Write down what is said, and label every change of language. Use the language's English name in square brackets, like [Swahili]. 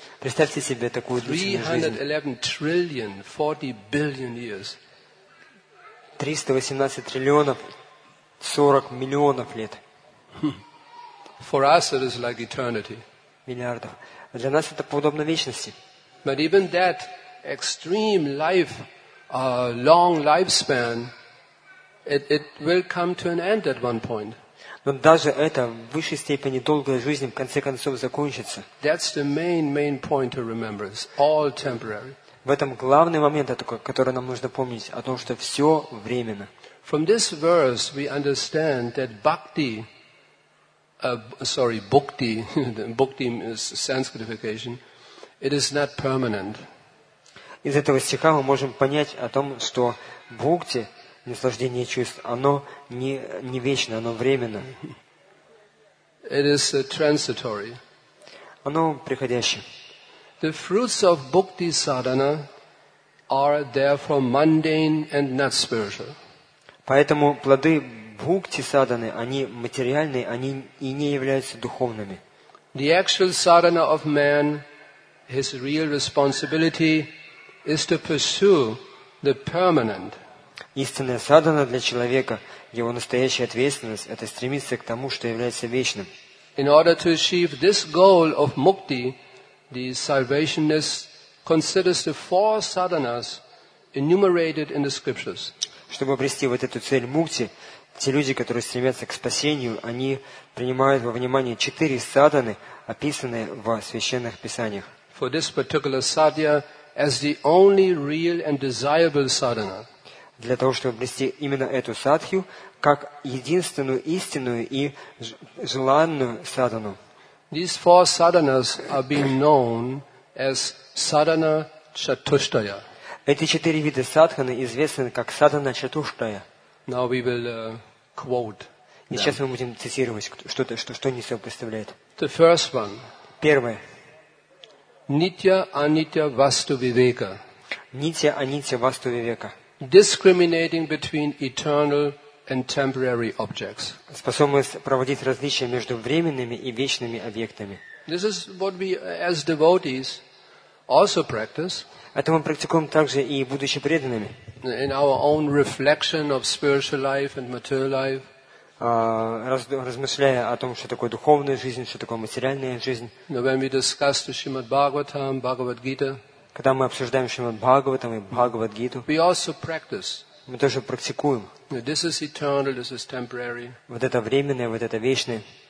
[Russian] Представьте себе такую длительную жизнь. [English] 311 trillion, 40 billion years. [Russian] 318 триллионов, 40 миллионов лет. [English] For us it is like eternity. [Russian] Миллиардов. Для нас это подобно вечности. [English] But even that extreme life, long lifespan, it will come to an end at one point. [Russian] Но даже это в высшей степени долгая жизнь в конце концов закончится. [English] That's the main point to remember. It's all temporary. [Russian] В этом главный момент, который нам нужно помнить, о том, что все временно. [English] From this verse we understand that bhukti, bhukti is sanskritification, it is not permanent. [Russian] Из этого стиха мы можем понять о том, что бхукти, наслаждение чувств, оно не вечно, оно временно. [English] It is transitory. [Russian] Оно приходящее. [English] The fruits of bhakti sadhana are therefore mundane and not spiritual. [Russian] Поэтому плоды бхакти садханы, они материальные, они и не являются духовными. [English] The actual sadhana of man, his real responsibility is to pursue the permanent. [Russian] Истинная садхана для человека, его настоящая ответственность, это стремиться к тому, что является вечным. [English] In order to achieve this goal of mukti, the salvationist considers the four sadhanas enumerated in the scriptures. [Russian] Чтобы обрести вот эту цель мукти, те люди, которые стремятся к спасению, они принимают во внимание четыре садханы, описанные в священных писаниях. [English] For this particular sadhya, as the only real and desirable sadhana. [Russian] Для того, чтобы обрести именно эту садхью, как единственную истинную и желанную садхану. [English] These four sadhanas are being known as sadhana chatushtaya. [Russian] Эти четыре вида садханы известны как садхана чатуштая. [English] Now we will quote. [Russian] И сейчас мы будем цитировать, что они себя представляют. [English] The first one. [Russian] Первое. [Sanskrit] Nitya anitya vastu viveka. Nitya anitya vastu viveka. [English] Discriminating between eternal and temporary objects. [Russian] Способность проводить различия между временными и вечными объектами. [English] This is what we, as devotees, also practice. [Russian] Это мы практикуем также и будучи преданными. [English] In our own reflection of spiritual life and material life. [Russian] Размышляя о том, что такое духовная жизнь, что такое материальная жизнь. [English] When we discuss the Srimad Bhagavatam, Bhagavad Gita. [Russian] Когда мы обсуждаем Шримад Бхагаватам и Бхагавад Гиту, мы тоже практикуем. [English] This is eternal, this is temporary. [Russian] Вот это временное, вот это вечное.